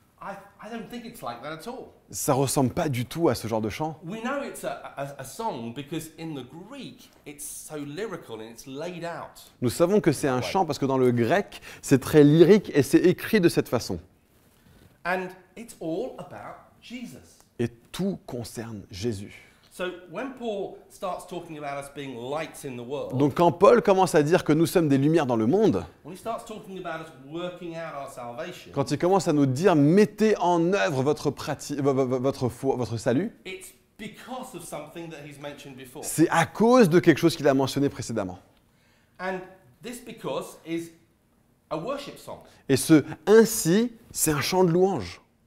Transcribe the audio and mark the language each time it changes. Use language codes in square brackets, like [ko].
[en] I don't think it's like that at all. [fr] Ça ressemble pas du tout à ce genre de chant. [en] We know it's a song because in the Greek it's so lyrical and it's laid out. [fr] Nous savons que c'est un chant parce que dans le grec c'est très lyrique et c'est écrit de cette façon. [en] And it's all about Jesus. [fr] Et tout concerne Jésus. [en] So when Paul starts talking about us being lights in the world. [fr] Donc quand Paul commence à dire que nous sommes des lumières dans le monde. [en] When he starts talking about us working out our salvation. [fr] Quand il commence à nous dire mettez en œuvre votre foi, votre salut. [en] It's because of something that he's mentioned before. [fr] C'est à cause de quelque chose qu'il a mentionné précédemment. [en] And this because is a worship song. [fr] Et ce ainsi, c'est un chant de louange.